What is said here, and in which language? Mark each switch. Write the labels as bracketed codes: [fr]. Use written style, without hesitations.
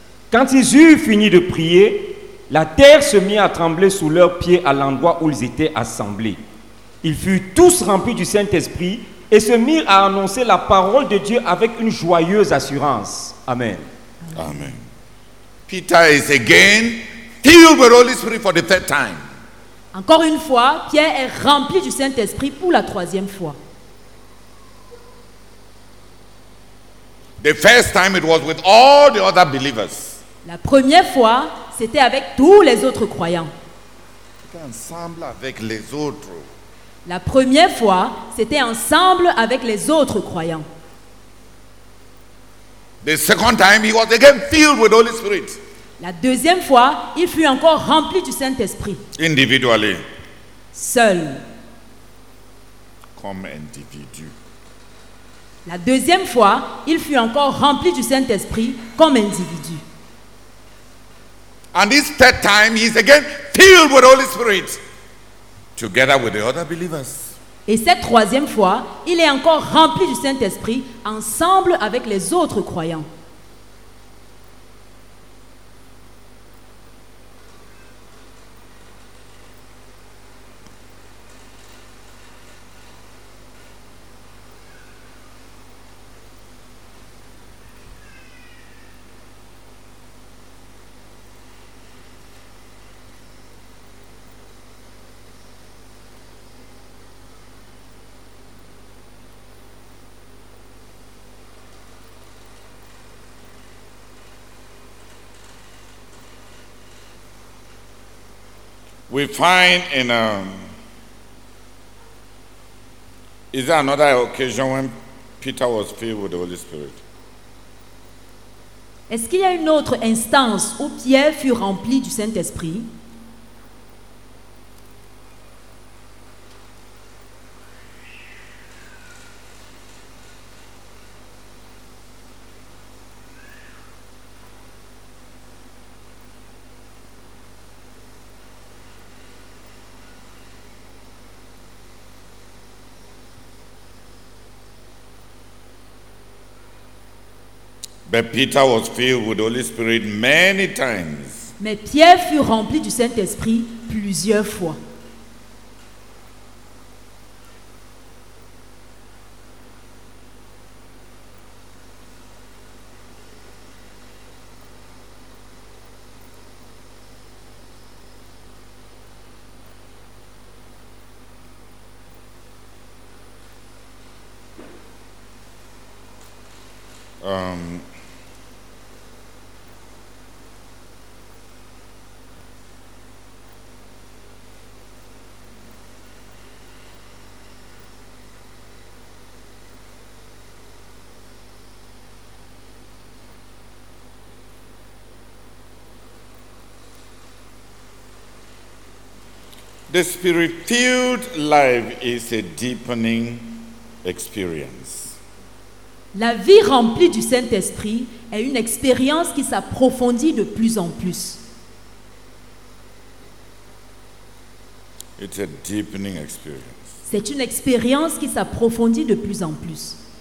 [fr] Quand ils eurent fini de prier, la terre se mit à trembler sous leurs pieds à l'endroit où ils étaient assemblés. Ils furent tous remplis du Saint-Esprit et se mirent à annoncer la parole de Dieu avec une joyeuse assurance. Amen. Amen. [en] Peter is again filled with the Holy Spirit for the third time. [fr] Encore une fois, Pierre est rempli du Saint-Esprit pour la troisième fois. [en] The first time it was with all the other believers. [fr] La première fois, c'était avec tous les autres croyants. Ensemble avec les autres. La première fois, c'était ensemble avec les autres croyants. [en] The second time, he was again filled with Holy Spirit. [fr] La deuxième fois, il fut encore rempli du Saint-Esprit. [en] Individually. [fr] Seul. Comme individu. La deuxième fois, il fut encore rempli du Saint-Esprit comme individu. [en] And this third time, he is again filled with Holy Spirit, together with the other believers. [fr] Et cette troisième fois, il est encore rempli du Saint-Esprit ensemble avec les autres croyants. [en] We find in is there another occasion when Peter was filled with the Holy Spirit? [fr] Est-ce qu'il y a une autre instance où Pierre fut rempli du Saint-Esprit? [en] But Peter was filled with the Holy Spirit many times. [fr] Mais Pierre fut rempli du Saint-Esprit plusieurs fois. [en] The spirit-filled life is a deepening experience. [fr] La vie remplie du Saint-Esprit est une expérience qui s'approfondit de plus en plus. [en] It's a deepening experience. [fr] C'est une expérience qui s'approfondit de plus en plus.